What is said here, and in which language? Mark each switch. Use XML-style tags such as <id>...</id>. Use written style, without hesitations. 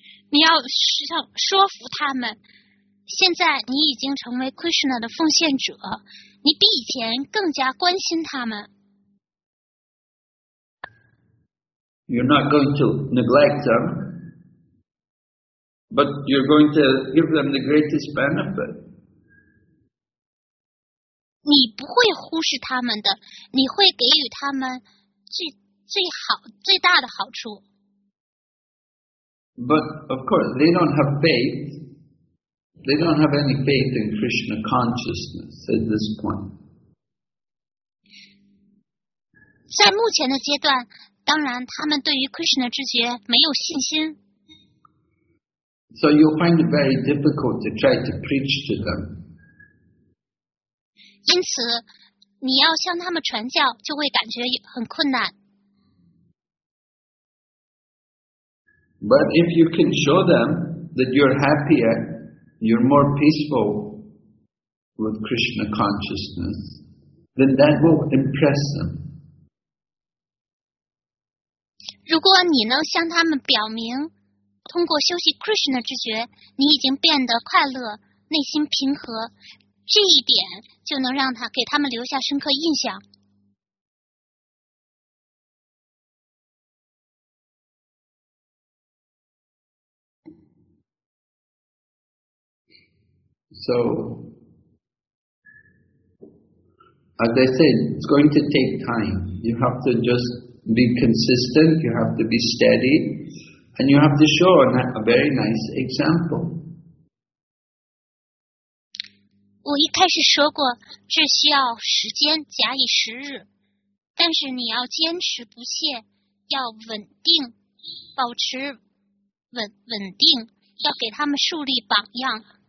<zh>你要说服他们，现在你已经成为 Krishna 的奉献者，你比以前更加关心他们。</zh> <en>You're not going to neglect them, but you're going to give them the greatest benefit.</en> <zh>你不会忽视他们的，你会给予他们最大的好处。</zh> <en>But of course, they don't have faith. They don't have any faith in Krishna consciousness at this point.</en> <zh>在目前的阶段，当然他们对于 Krishna 知觉没有信心。</zh> <en>So you'll find it very difficult to try to preach to them.</en> <zh>因此你要向他们传教就会感觉很困难。</zh> <en>But if you can show them that you're happier, you're more peaceful with Krishna consciousness, then that will impress them.</en> <zh>如果你能向他们表明，通过修习 Krishna 知觉，你已经变得快乐，内心平和，这一点就能让他给他们留下深刻印象。</zh> <en>So, as I said, it's going to take time. You have to just be consistent, you have to be steady, and you have to show a very nice example.</en> <zh>我一开始说过，这需要时间，假以时日。但是你要坚持不懈，要稳定，保持稳定，要给他们树立榜样。</zh>